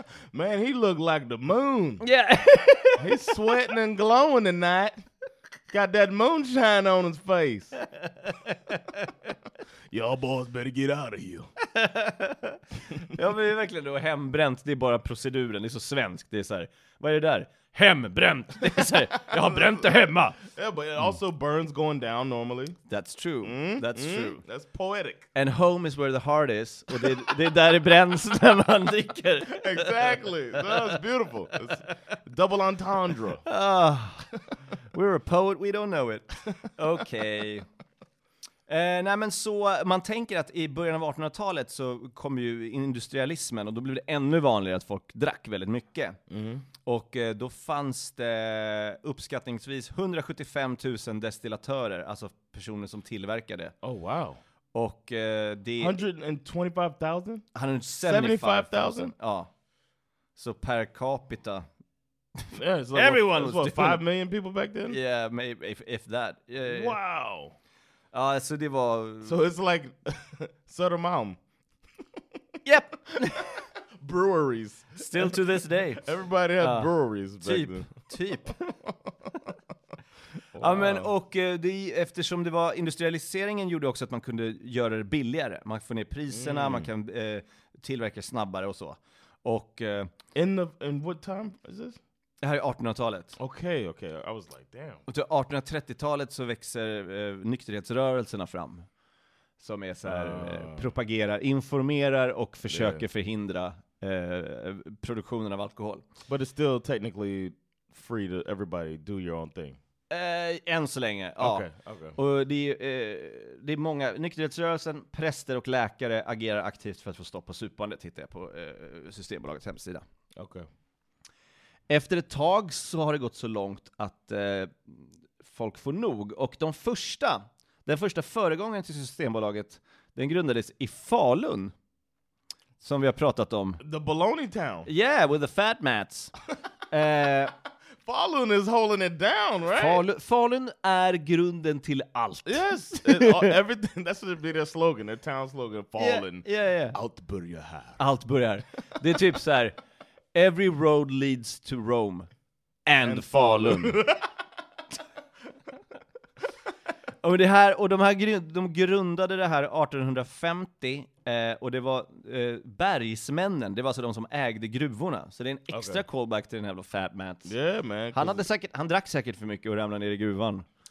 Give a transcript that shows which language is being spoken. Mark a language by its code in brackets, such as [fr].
[en] Man, he looked like the moon. Yeah. He's sweating and glowing tonight. Got that moonshine on his face. Y'all boys better get out of here. [sv] Ja, men det är verkligen då. Hembränt, det är bara proceduren. Det är så svenskt. Det är så här, vad är det där? Hembränt. Det är så här, jag har bränt det hemma. [en] Yeah, but it also burns going down normally. That's true. That's true. That's poetic. And home is where the heart is. [sv] Och det är där det bränns när man dricker. [en] Exactly. That's beautiful. It's double entendre. We're a poet, we don't know it. Okay. [sv] Nej, men så man tänker att i början av 1800-talet så kom ju industrialismen och då blev det ännu vanligare att folk drack väldigt mycket. Mm. Och då fanns det uppskattningsvis 175 000 destillatörer, alltså personer som tillverkade. [en] Oh wow. [sv] Och det [en] 125,000? [sv] 175,000? Ja. Så per capita. [en] Yeah, it's like everyone was what, 5 million people back then? Yeah, maybe if that. Yeah. Wow. Så det var... So it's like Södermalm. Yep. Breweries. Still to this day. Everybody had breweries back [sv] typ, [en] then. [sv] Typ. [en] Wow. [sv] Ja, men och eftersom det var industrialiseringen gjorde också att man kunde göra det billigare. Man får ner priserna, man kan tillverka snabbare och så. Och, [en] in what time is this? [sv] Det här är 1800-talet. [en] Okej, okay, okej. Okay. I was like, damn. [sv] Och till 1830-talet så växer nykterhetsrörelserna fram. Som är så här, propagerar, informerar och försöker förhindra produktionen av alkohol. [en] But it's still technically free to everybody do your own thing. [sv] Än så länge, ja. [en] Okay, okay. [sv] Och det är många, nykterhetsrörelsen, präster och läkare agerar aktivt för att få stopp på supandet, hittar jag på Systembolagets hemsida. Okej. Okay. Efter ett tag så har det gått så långt att folk får nog. Och den första föregången till Systembolaget, den grundades i Falun. Som vi har pratat om. [en] The baloney town. Yeah, with the fat mats. Falun is holding it down, right? [sv] Falun är grunden till allt. [en] Yes, everything. That's what be their slogan, their town slogan, Falun. Yeah. [sv] Allt börjar här. Allt börjar. Det är typ så här... [en] Every road leads to Rome and Falun. [sv] Och det här, och de grundade det här 1850 och det var bergsmännen, det var så de som ägde gruvorna. Så det är en extra callback till den här Fat Mats. [en] Yeah, man. [sv] Han drack säkert för mycket och ramlade ner i gruvan.